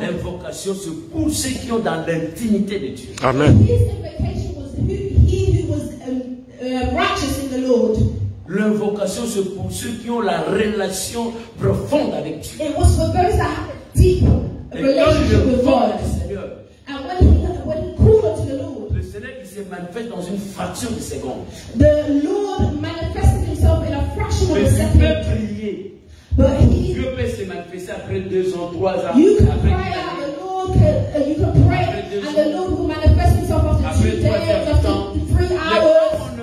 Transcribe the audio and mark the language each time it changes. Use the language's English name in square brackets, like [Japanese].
[French] L'invocation c'est pour ceux qui ont dans l'intimité de Dieu. Amen. [English] His invocation was he who was righteous in the Lord. [French] L'invocation c'est pour ceux qui ont la relation profonde avec Dieu. [English] It was for those that have a deep relationship with God. And when he called unto the Lord, [French] le Seigneur qui se manifeste dans une fraction de seconde. [English] The Lord manifested himself in a fraction of a second. [French] Mais tu peux prier. [English] But [French] Dieu peut se manifester après 2 ans, 3 ans. [English] You can pray and the Lord can, you can pray and the Lord will manifest himself after 2 days, after 3 hours.